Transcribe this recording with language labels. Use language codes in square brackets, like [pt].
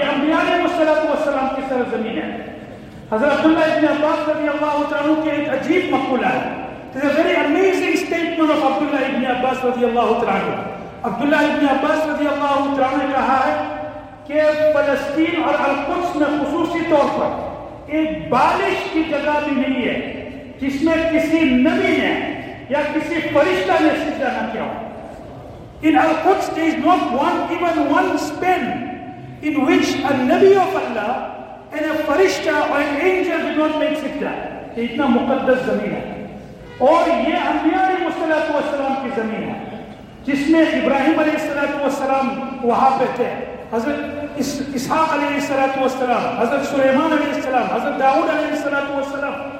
[ur] یہ انبیاء علیہ الصلوۃ والسلام کی سرزمین ہے. حضرت عبداللہ ابن عباس رضی اللہ تعالیٰ عنہ کے ایک عجیب مقولہ ہے، [en] it's a very amazing statement of [ur] عبداللہ ابن عباس رضی اللہ تعالیٰ عنہ. عبداللہ ابن عباس رضی اللہ تعالیٰ عنہ نے کہا ہے کہ فلسطین اور القدس میں خصوصی طور پر ایک بارش کی جگہ بھی نہیں ہے جس میں کسی نبی نے یا کسی فرشتہ نے سجدہ نہ کیا ہو. [en] In Al-Quds, there is not even one span in which a Nabi of Allah and a Farishta or an angel did not make sijda. [ur] یہ اتنا مقدس زمین ہے اور یہ انبیاء علیہ الصلوۃ والسلام کی زمین ہے جس میں ابراہیم علیہ الصلوۃ والسلام وہاں پہ تھے، حضرت اسحاق علیہ الصلوۃ والسلام، حضرت سلیمان علیہ السلام، حضرت داؤد علیہ الصلوۃ والسلام.